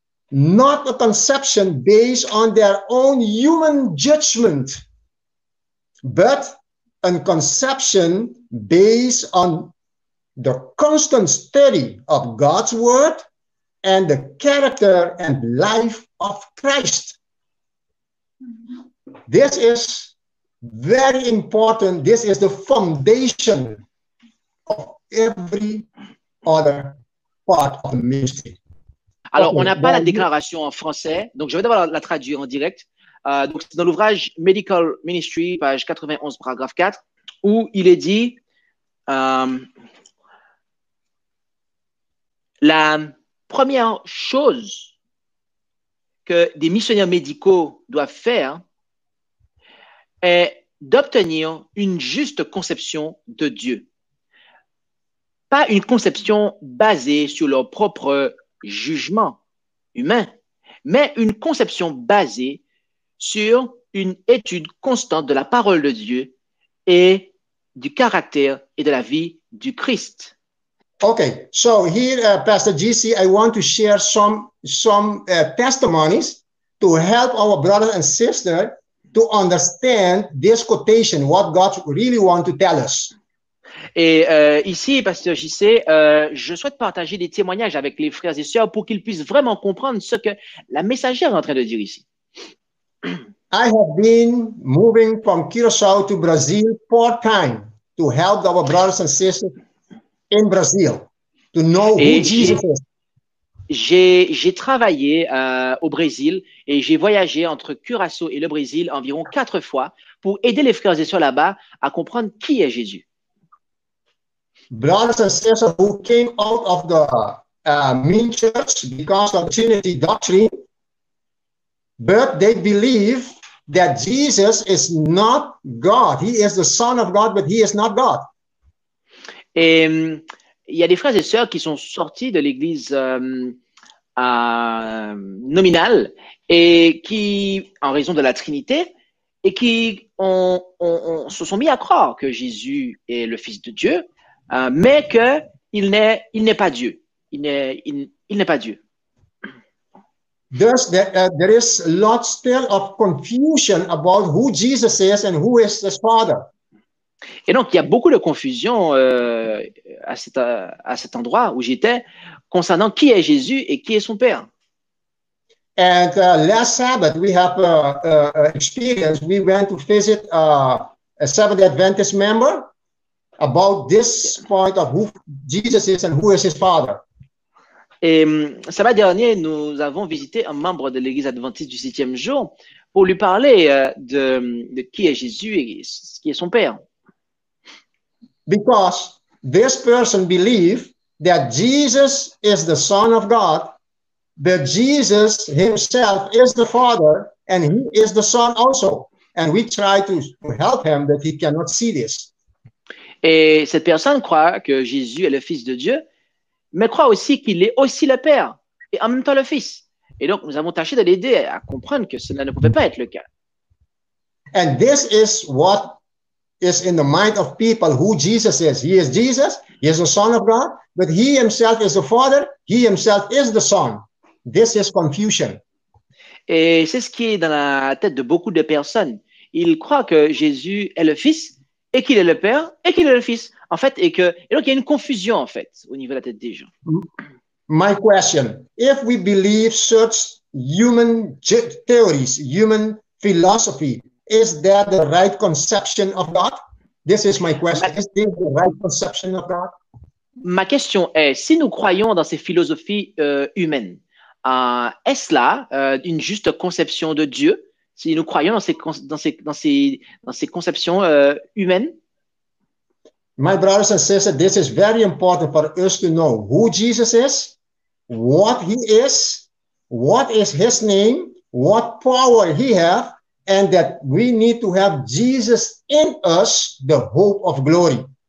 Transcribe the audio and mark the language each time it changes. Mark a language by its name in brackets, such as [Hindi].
[English] Not a conception based on their own human judgment, but a conception based on the constant study of God's word and the character and life of Christ. This is very important. This is the foundation of every other part of the ministry. [French] Alors, on n'a pas la déclaration en français, donc je vais devoir la traduire en direct. Donc, c'est dans l'ouvrage Medical Ministry, page 91, paragraphe 4, où il est dit la première chose que des missionnaires médicaux doivent faire est d'obtenir une juste conception de Dieu. Pas une conception basée sur leur propre jugement humain, mais une conception basée sur une étude constante de la parole de Dieu et du caractère et de la vie du Christ. [English] Okay, so here, Pastor GC, I want to share some testimonies to help our brothers and sisters to understand this quotation, what God really wants to tell us. [French] Et ici, Pasteur JC, je souhaite partager des témoignages avec les frères et sœurs pour qu'ils puissent vraiment comprendre ce que la messagère est en train de dire ici. [English] I have been moving from Curaçao to Brazil part-time to help our brothers and sisters in Brazil to know who Jesus is. [French] J'ai travaillé au Brésil et j'ai voyagé entre Curaçao et le Brésil environ 4 fois pour aider les frères et sœurs là-bas à comprendre qui est Jésus. [English] Brothers and sisters who came out of the main church because of Trinity doctrine, but they believe that Jesus is not God. He is the Son of God, but he is not God. [French] Et il y a des frères et sœurs qui sont sortis de l'église nominale et qui, en raison de la Trinité, et qui se sont mis à croire que Jésus est le Fils de Dieu, mais que il n'est pas Dieu. Il n'est pas Dieu. [English] Thus, there is lots still of confusion about who Jesus is and who is his father. [French] Et donc, il y a beaucoup de confusion à cet endroit où j'étais concernant qui est Jésus et qui est son Père. [English] And last Sabbath, we have an experience. We went to visit a Seventh-day Adventist member about this point of who Jesus is and who is his father. [French] Et samedi dernier, nous avons visité un membre de l'Église adventiste du septième jour pour lui parler de qui est Jésus et qui est son Père. [English] Because this person believes that Jesus is the Son of God, that Jesus himself is the Father, and he is the Son also. And we try to help him, but he cannot see this. [French] Et cette personne croit que Jésus est le Fils de Dieu, mais croit aussi qu'il est aussi le Père et en même temps le Fils. Et donc, nous avons tâché de l'aider à comprendre que cela ne pouvait pas être le cas. [English] And this is what is in the mind of people who Jesus is. He is Jesus, he is the Son of God, but he himself is the Father, he himself is the Son. This is confusion. [French] Et c'est ce qui est dans la tête de beaucoup de personnes. Ils croient que Jésus est le Fils. Et qu'il est le Père, et qu'il est le Fils, en fait, et donc il y a une confusion, en fait, au niveau de la tête des gens. [English] My question, if we believe such human theories, human philosophy, is that the right conception of God? This is my question. Is this the right conception of God? [French] Ma question est, si nous croyons dans ces philosophies humaines, est-ce là une juste conception de Dieu? Si nous croyons dans ces conceptions humaines. [English] My brothers and sisters, this is very important for us to know who Jesus is, what he is, what is his name, what power he have. And that we need to have Jesus in us, the hope of glory.